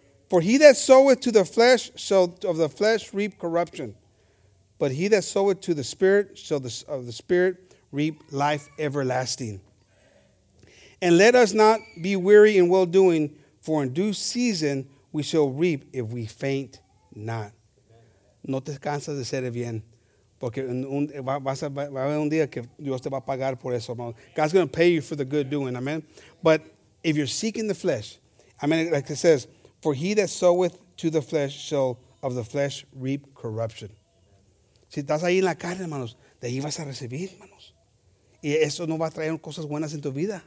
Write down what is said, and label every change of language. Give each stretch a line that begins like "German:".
English: For he that soweth to the flesh shall of the flesh reap corruption. But he that soweth to the Spirit shall of the Spirit reap life everlasting. And let us not be weary in well-doing, for in due season we shall reap if we faint not.
Spanish: No te cansas de ser bien. Porque va a haber un día que Dios te va a pagar por eso.
English: God's going to pay you for the good doing. Amen. But if you're seeking the flesh, I mean, like it says, for he that soweth to the flesh shall of the flesh reap corruption.
Spanish: Si estás ahí en la carne, hermanos, de ahí vas a recibir, hermanos. Y eso no va a traer cosas buenas en tu vida.